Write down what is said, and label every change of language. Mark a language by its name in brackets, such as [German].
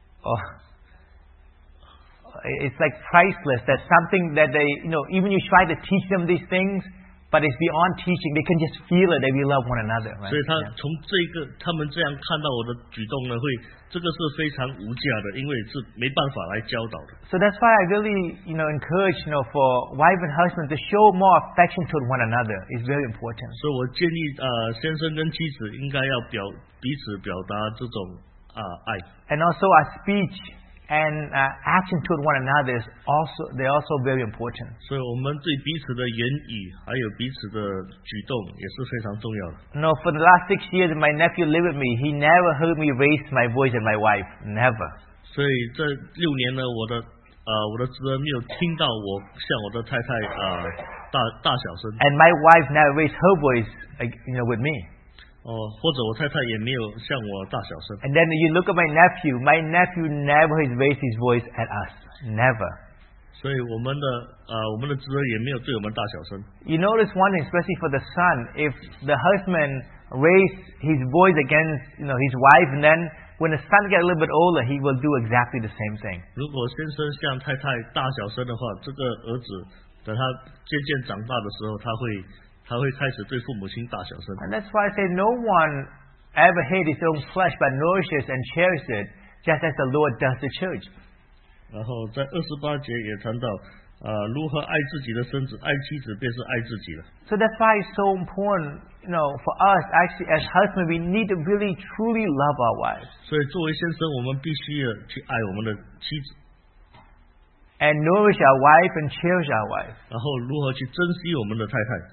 [English] Oh, it's like priceless, that something that they, you know, even you try to teach them these things, but it's beyond teaching. They can just feel it. They will love one another. Right? [Chinese] 所以他从这个, 他们这样看到我的举动呢, 会, 这个是非常无价的, 因为是没办法来教导的。 [English] So that's why I really, you know, encourage, you know, for wife and husband to show more affection toward one another is very important. [Chinese] 所以我建议, 先生跟妻子应该要表, 彼此表达这种, 爱。 [English] And also our speech and action toward one another is also, they're also very important. [Chinese] 所以我们对彼此的言语, 还有彼此的举动也是非常重要的。 [English] No, for the last 6 years, my nephew lived with me. He never heard me raise my voice at my wife. Never. [Chinese] 所以这六年呢, 我的, 我的侄儿没有听到我向我的太太大小声。 [English] And my wife never raised her voice, you know, with me. [Chinese] 或者我太太也没有向我大小声。 [English] And then you look at my nephew never has raised his voice at us, never. [Chinese] 所以我们的侄儿也没有对我们大小声。 [English] You notice one, especially for the son, if the husband raised his voice against, you know, his wife, and then when the son gets a little bit older, he will do exactly the same thing. [Chinese] 如果先生向太太大小声的话，这个儿子等他渐渐长大的时候，他会开始对父母亲大小声。 [English] And that's why I say no one ever hates his own flesh, but nourishes and cherishes it, just as the Lord does the church. [Chinese] 然后在二十八节也谈到，如何爱自己的身子，爱妻子便是爱自己了。 [English] So that's why it's so important, you know, for us, actually, as husbands, we need to really, truly love our wives. [Chinese] 所以作为先生，我们必须要去爱我们的妻子。 [English] And nourish our wife and cherish our wife. [Chinese] 然后如何去珍惜我们的太太。